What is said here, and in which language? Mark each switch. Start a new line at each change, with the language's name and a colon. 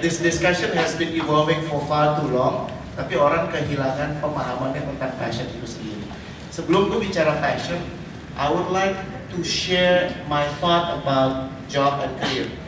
English: This discussion has been evolving for far too long.
Indonesian: Tapi orang kehilangan pemahamannya tentang passion itu sendiri. Sebelum gue bicara passion,
English: I would like to share my thought about job and career.